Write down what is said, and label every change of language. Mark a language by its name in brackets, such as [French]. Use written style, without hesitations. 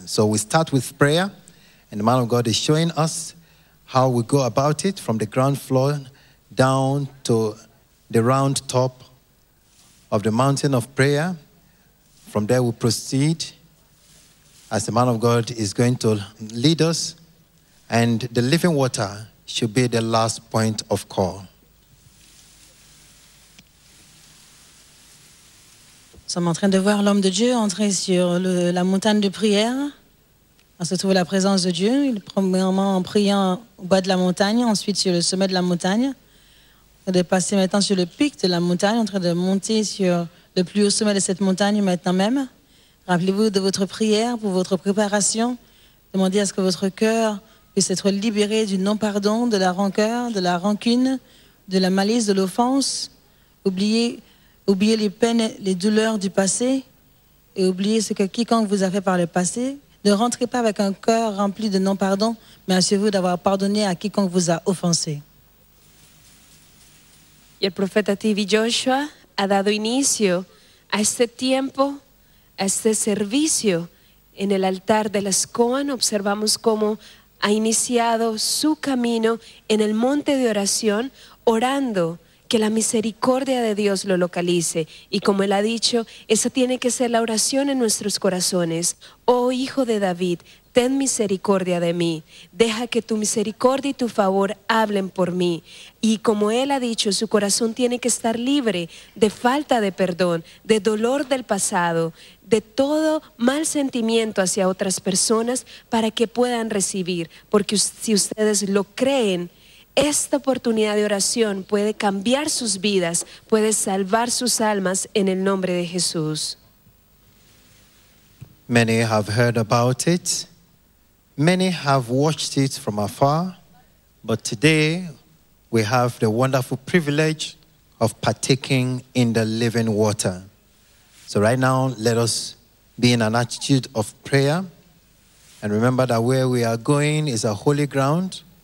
[English] So we start with prayer, and the man of God is showing us how we go about it from the ground floor down to the round top of the mountain of prayer. From there we proceed as the man of God is going to lead us, and the living water should be the last point of call. [French] Nous sommes en train de voir l'homme de Dieu entrer sur la montagne de prière. On se trouve la présence de Dieu, premièrement en priant au bas de la montagne, ensuite sur le sommet de la montagne. train de passer maintenant sur le pic de la montagne, en train de monter sur le plus haut sommet de cette montagne maintenant même. Rappelez-vous de votre prière pour votre préparation. Demandez à ce que votre cœur puisse être libéré du non-pardon, de la rancœur, de la rancune, de la malice, de l'offense. Oubliez les peines, les douleurs du passé et oubliez ce que quiconque vous a fait par le passé. Ne rentrez pas avec un cœur rempli de non-pardon, mais assurez-vous d'avoir pardonné à quiconque vous a offensé. [Spanish] Y el profeta TV Joshua ha dado inicio a este tiempo, a este servicio en el altar de las Coan. Observamos cómo ha iniciado su camino en el monte de oración, orando que la misericordia de Dios lo localice. Y como él ha dicho, esa tiene que ser la oración en nuestros corazones. Oh Hijo de David, ten misericordia de mí, deja que tu misericordia y tu favor hablen por mí. Y como él ha dicho, su corazón tiene que estar libre de falta de perdón, de dolor del pasado, de todo mal sentimiento hacia otras personas para que puedan recibir. Porque si ustedes lo creen, esta oportunidad de oración puede cambiar sus vidas, puede salvar sus almas en el nombre de Jesús. [English] Many have heard about it. Many have watched it from afar, but today we have the wonderful privilege of partaking in the living water. So right now, let us be in an attitude of prayer and remember that where we are going is a holy ground.